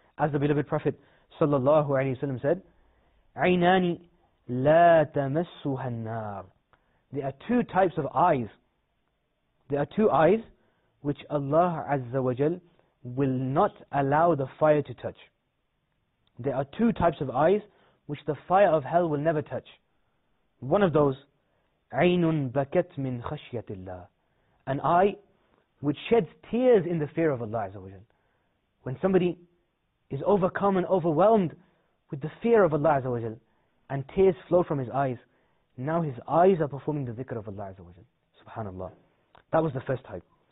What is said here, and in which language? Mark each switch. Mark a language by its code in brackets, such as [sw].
[en] As the beloved Prophet sallallahu alayhi wa sallam said, [ar] عَيْنَانِ لَا تَمَسُّهَا النَّارِ. [en] There are two types of eyes. There are two eyes which Allah azza wa jal will not allow the fire to touch. There are two types of eyes which the fire of hell will never touch. One of those, [ar] عَيْنٌ بَكَتْ مِنْ خَشْيَةِ اللَّهِ. [en] An eye which sheds tears in the fear of Allah azza wa jal. When somebody is overcome and overwhelmed with the fear of Allah azza wa jal, and tears flow from his eyes, now his eyes are performing the dhikr of Allah azza wa jal. Subhanallah. That was the first type.